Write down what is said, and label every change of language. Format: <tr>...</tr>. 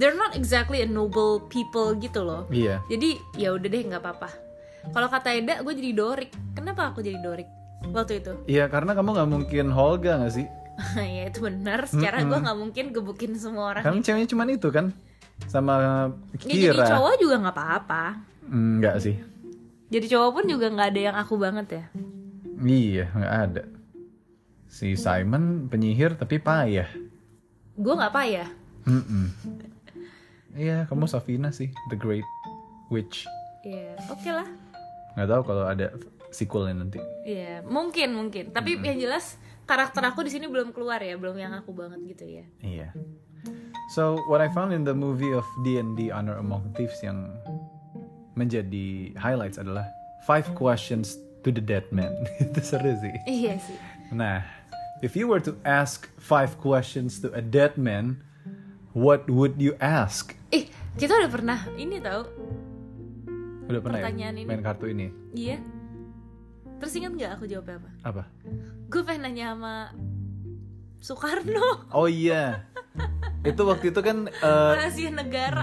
<en>They're not exactly a noble people</en> <id>gitu loh. Yeah. Jadi ya udah deh, gak apa-apa. Kalau kata Eda, gue jadi Dorik. Kenapa aku jadi Dorik waktu itu? Iya, karena kamu gak mungkin Holga gak sih? Iya, itu benar. Secara gue gak mungkin gebukin semua orang. Kamu ceweknya cuma itu kan? Sama Kira. Ya, jadi cowok juga gak apa-apa. Enggak sih. Jadi cowok pun juga gak ada yang aku banget ya? Iya, gak ada. Si Simon penyihir tapi payah. Gue gak payah? Iya, kamu Safina sih. The Great Witch. Iya, oke lah. Gak tahu kalau ada sequelnya nanti. Iya, mungkin. Tapi yang jelas karakter aku di sini belum keluar ya. Belum yang aku banget gitu ya. Iya.</id> <en>So, what I found in the movie of D&D Honor Among Thieves</en> <id>yang menjadi highlights adalah</id> <en>5 questions to the dead man.</en> <id>Itu seru sih. Iya sih.</id> <en>Nah, if you were to ask 5 questions to a dead man, what would you ask?</en> <id>Ih, kita udah pernah ini tau. Udah pernah pertanyaan ya? Ini. Main kartu ini. Iya. Terus ingat gak aku jawabnya apa? Apa? Gue pengen nanya sama Soekarno. Oh iya. Itu waktu itu kan rahasia negara.</id>